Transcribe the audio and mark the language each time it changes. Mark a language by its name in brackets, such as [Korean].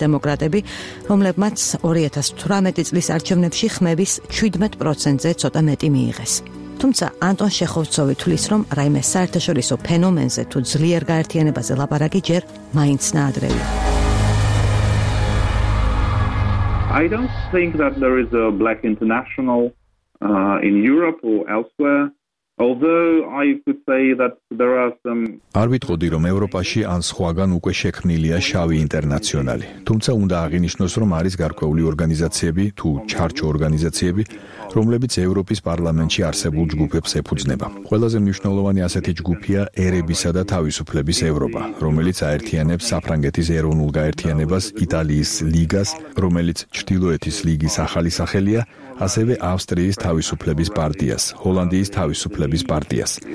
[Georgian] დემოკრატები, რომლებმაც 2018 წლის არჩევნებში ხმების 17%-ზე ცოტა მეტი მიიღეს. Თუმცა ანტონ შეხოვცოვი თვლის, რომ რაიმე საერთაშორისო ფენომენზე თუ ძლიერ გაერთიანებაზე ლაპარაკი ჯერ მაინც ნაადრევი. [English] I don't think that there is a black international in Europe or elsewhere. Although I could say that there are some [Georgian] არვიტყოდი რომ ევროპაში ან სხვაგან უკვე შექმნილია შავი ინტერნაციონალი. თუმცა უნდა აღინიშნოს რომ არის გარკვეული ორგანიზაციები თუ ჩარჩო ორგანიზაციები რომლებიც ევროპის პარლამენტში არსებულ ჯგუფებს ეფუძნება. ყველაზე მნიშვნელოვანი ასეთი ჯგუფია ერებისა და თავისუფლების ევროპა, რომელიც აერთიანებს საფრანგეთის ეროვნულ გაერთიანებას, იტალიის ლიგას, რომელიც ჩრდილოეთის ლიგის ახალი სახელია, ასევე ავსტრიის თავისუფლების პარტიას, ჰოლანდიის თავისუფლების პარტიას.